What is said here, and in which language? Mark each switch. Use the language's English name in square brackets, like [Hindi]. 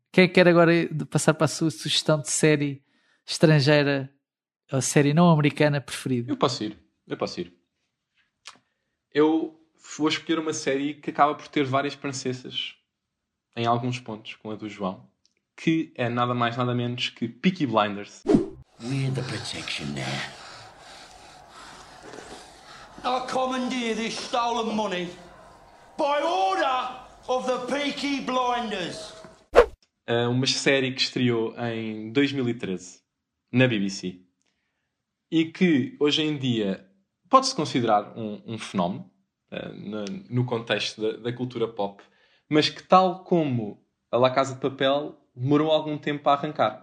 [Portuguese] Quem quer agora passar para a sua sugestão de série estrangeira, ou série não americana preferida? Eu posso ir. Eu vou escolher uma série que acaba por ter várias princesas em alguns pontos, com a do João, que é nada mais nada menos que Peaky Blinders. [English] We're the protection there. I'll commandeer this stolen money by order of the Peaky Blinders. [Portuguese] É uma série que estreou em 2013 na BBC e que hoje em dia pode-se considerar um fenómeno no contexto da cultura pop, mas que, tal como a La Casa de Papel, demorou algum tempo a arrancar.